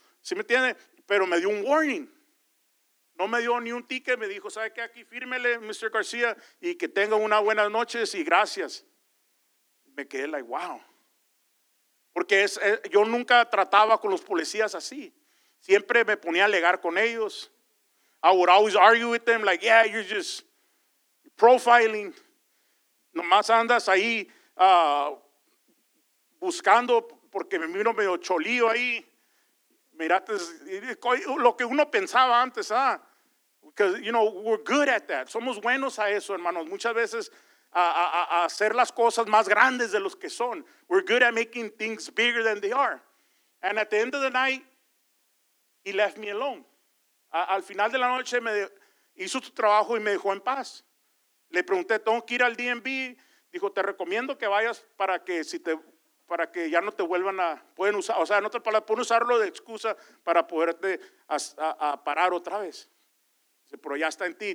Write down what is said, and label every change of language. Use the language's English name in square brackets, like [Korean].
[Spanish] ¿Sí me entiende? Pero me dio un warning. No me dio ni un ticket. Me dijo, ¿sabe qué? Aquí fírmele, Mr. García, y que tenga una buena noche y gracias. Me quedé like, wow. Porque yo nunca trataba con los policías así. Siempre me ponía a alegar con ellos. [English] I would always argue with them like, yeah, you're just profiling. [Spanish] Nomás andas ahí buscando porque me miro medio cholío ahí. Mirate, lo que uno pensaba antes, ¿ah? [English] Because, you know, we're good at that. [Spanish] Somos buenos a eso, hermanos. Muchas veces a hacer las cosas más grandes de los que son. [English] We're good at making things bigger than they are. And at the end of the night, he left me alone. [Spanish] Al final de la noche me hizo su trabajo y me dejó en paz. Le pregunté, ¿tengo que ir al DMV? Dijo, te recomiendo que vayas para que ya no te vuelvan a, pueden usar, o sea, en otras palabras, pueden usarlo de excusa para poderte a parar otra vez. Dice, pero ya está en ti.